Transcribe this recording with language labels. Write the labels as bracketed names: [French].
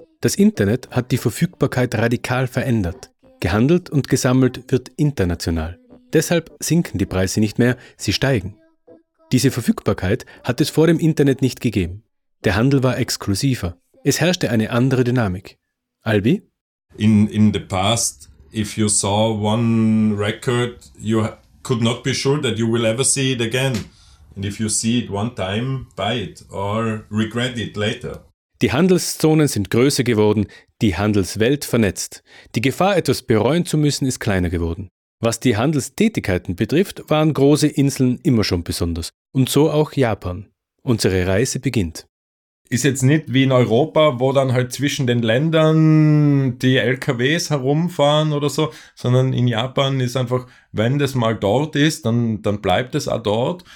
[German] Das Internet hat die Verfügbarkeit radikal verändert. Gehandelt und gesammelt wird international. Deshalb sinken die Preise nicht mehr, sie steigen. Diese Verfügbarkeit hat es vor dem Internet nicht gegeben. Der Handel war exklusiver. Es herrschte eine andere Dynamik. Albi? [English] In the past, if you saw one record, you could not be sure that you will ever see it again. And if you see it one time, buy it or regret it later. [German] Die Handelszonen sind größer geworden, die Handelswelt vernetzt. Die Gefahr, etwas bereuen zu müssen, ist kleiner geworden. Was die Handelstätigkeiten betrifft, waren große Inseln immer schon besonders. Und so auch Japan. Unsere Reise beginnt. Ist jetzt nicht wie in Europa, wo dann halt zwischen den Ländern die LKWs herumfahren oder so, sondern in Japan ist einfach, wenn das mal dort ist, dann bleibt es auch dort.